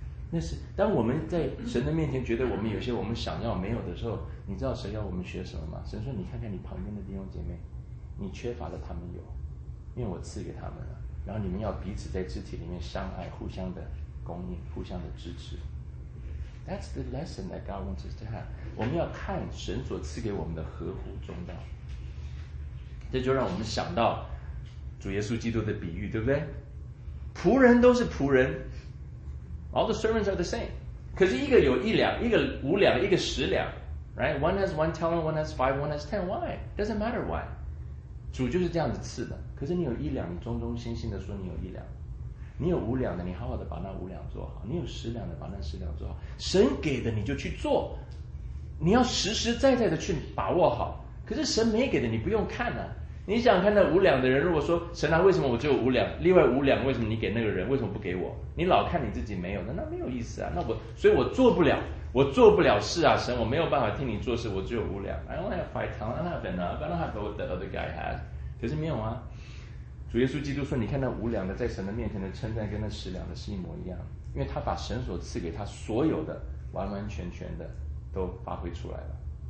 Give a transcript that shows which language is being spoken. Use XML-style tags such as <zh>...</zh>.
<zh>那是当我们在神的面前觉得我们有些我们想要没有的时候，你知道神要我们学什么吗？神说，你看看你旁边的弟兄姐妹，你缺乏的他们有，因为我赐给他们了，然后你们要彼此在肢体里面相爱，互相的供应，互相的支持。</zh> <en>That's the lesson that God wants us to have.</en> <zh>我们要看神所赐给我们的合乎中道。这就让我们想到主耶稣基督的比喻，对不对？仆人都是仆人，</zh> <en>All the servants are the same.</en> <zh>可是一个有一两，一个五两，一个十两， right?</zh> <en>One has one talent, one has five, one has ten. Why? Doesn't matter why.</en> <zh>主就是这样子赐的。可是你有一两，你忠忠心心的说你有一两；你有五两的，你好好的把那五两做好；你有十两的，把那十两做好。神给的你就去做，你要实实在在的去把握好。可是神没给的你不用看啊，你想看那五两的人，如果说神啊，为什么我只有五两，另外五两为什么你给那个人，为什么不给我？你老看你自己没有的，那没有意思啊。那我所以我做不了，我做不了事啊，神，我没有办法替你做事，我只有五两。</zh> <en>I only have five talents, I don't have enough, I don't have what the other guy has.</en> <zh>可是没有啊，主耶稣基督说，你看那五两的在神的面前的称赞跟那十两的是一模一样，因为他把神所赐给他所有的完完全全的都发挥出来了。</zh>